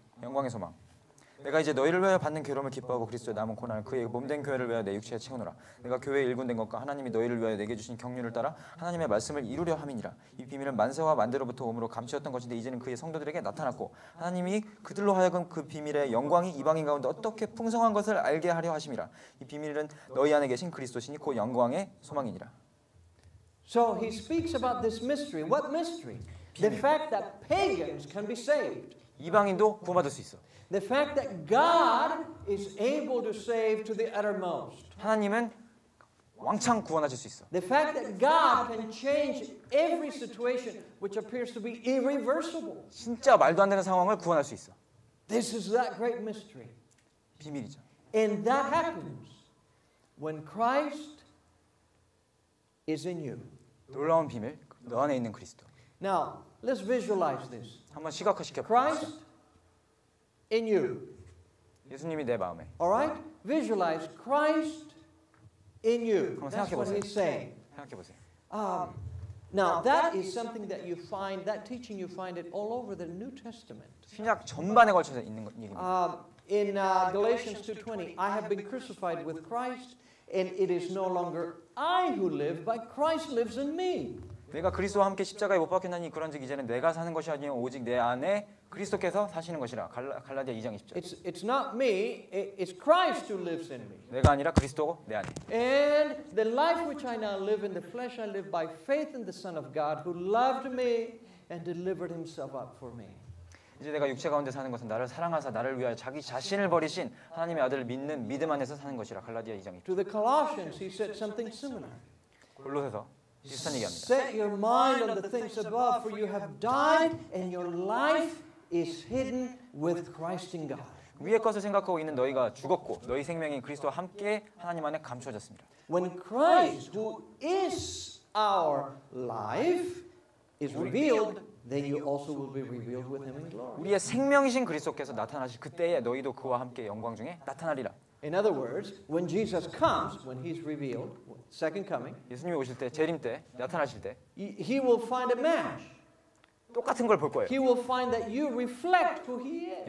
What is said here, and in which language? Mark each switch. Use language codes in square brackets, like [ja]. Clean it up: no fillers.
[ko] 영광의 소망. 내가 이제 너희를 위하여 받는 괴로움을 기뻐하고 그리스도의 남은 고난을 그의 몸된 교회를 위하여 내 육체에 채우노라. 내가 교회에 일군된 것과 하나님이 너희를 위하여 내게 주신 경륜을 따라 하나님의 말씀을 이루려 함이니라. 이 비밀은 만세와 만대로부터 오므로 감추었던 것인데 이제는 그의 성도들에게 나타났고 하나님이 그들로 하여금 그 비밀의 영광이 이방인 가운데 어떻게 풍성한 것을 알게 하려 하심이라. 이 비밀은 너희 안에 계신 그리스도시니 곧 영광의 소망이니라. [en] So he speaks about this mystery. What mystery? The fact that pagans can be saved. [ko] 이방인도 구원받을 수 있어. [en] The fact that God is able to save to the uttermost. [ko] 하나님은 왕창 구원하실 수 있어. [en] The fact that God can change every situation which appears to be irreversible. [ko] 진짜 말도 안 되는 상황을 구원할 수 있어. [en] This is that great mystery. [ko] 비밀이죠. [en] And that happens when Christ is in you. [ko] 놀라운 비밀, 너 안에 있는 그리스도. [en] Now, let's visualize this. [ko] 한번 시각화시켜 [en] Christ in you. [ko] 예수님이 내 마음에. [en] All right? Visualize Christ in you. [ko] 한번 생각해 보세요. [en] That's what he's saying. [ko] 생각해 보세요. [en] Now that is something that you find that teaching you find it all over the New Testament. [ko] 신약 전반에 걸쳐서 있는 얘기입니다. [en] In Galatians 2:20, I have been crucified with Christ and it is no longer I who live but Christ lives in me. [ko] 내가 그리스도와 함께 십자가에 못 박혔나니 그런즉 이제는 내가 사는 것이 아니요 오직 내 안에 그리스도께서 사시는 것이라. 갈라디아 2장 20절. [en] It's not me. It's Christ who lives in me. [ko] 내가 아니라 그리스도 내 안에. [en] And the life which I now live in the flesh I live by faith in the Son of God who loved me and delivered himself up for me. [ko] 이제 내가 육체 가운데 사는 것은 나를 사랑하사 나를 위하여 자기 자신을 버리신 하나님의 아들을 믿는 믿음 안에서 사는 것이라. 갈라디아 2장 20절. [en] To the Colossians he said something similar. [ko] 골로새서 [en] Set your mind on the things above, for you have died, and your life is hidden with Christ in God. [ko] 위의 것을 생각하고 있는 너희가 죽었고 너희 생명이 그리스도와 함께 하나님 안에 감추어졌습니다. [en] When Christ, who is our life, is revealed, then you also will be revealed with Him in glory. [ko] 우리의 생명이신 그리스도께서 나타나실 그때에 너희도 그와 함께 영광 중에 나타나리라. [en] In other words, when Jesus comes, when he's revealed, second coming, [ko] 예수님이 오실 때, 재림 때, 나타나실 때, [en] he will find a match. [ko] 똑같은 걸 볼 거예요. [en] He will find that you reflect who he is.